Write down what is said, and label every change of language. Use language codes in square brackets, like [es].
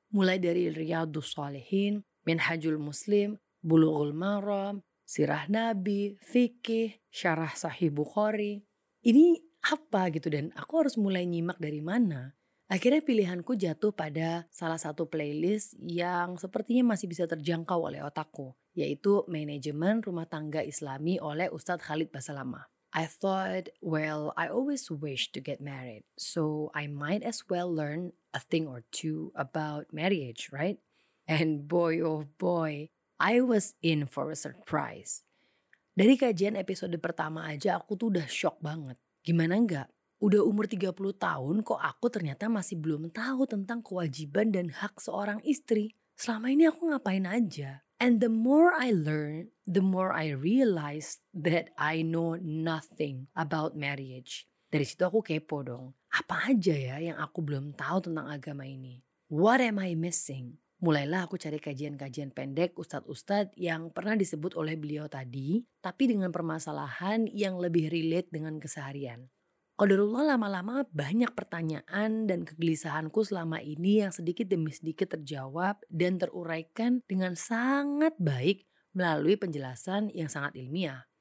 [id] Mulai dari Riyadhus Shalihin, Minhajul Muslim, Bulughul Maram, Sirah Nabi, Fikih, Syarah Sahih Bukhari. Ini apa gitu dan aku harus mulai nyimak dari mana? Akhirnya pilihanku jatuh pada salah satu playlist yang sepertinya masih bisa terjangkau oleh otakku, yaitu Manajemen Rumah Tangga Islami oleh Ustadz Khalid Basalama. [en] I thought, well, I always wish to get married, so I might as well learn a thing or two about marriage, right? And boy oh boy, I was in for a surprise. [id] Dari kajian episode pertama aja aku tuh udah shock banget. Gimana enggak? Udah umur 30 tahun kok aku ternyata masih belum tahu tentang kewajiban dan hak seorang istri. Selama ini aku ngapain aja? [en] And the more I learn, the more I realize that I know nothing about marriage. [id] Dari situ aku kepo dong. Apa aja ya yang aku belum tahu tentang agama ini? [en] What am I missing? [id] Mulailah aku cari kajian-kajian pendek ustadz-ustadz yang pernah disebut oleh beliau tadi, tapi dengan permasalahan yang lebih relate dengan keseharian. Qadarullah lama-lama banyak pertanyaan dan kegelisahanku selama ini yang sedikit demi sedikit terjawab dan teruraikan dengan sangat baik melalui penjelasan yang sangat ilmiah.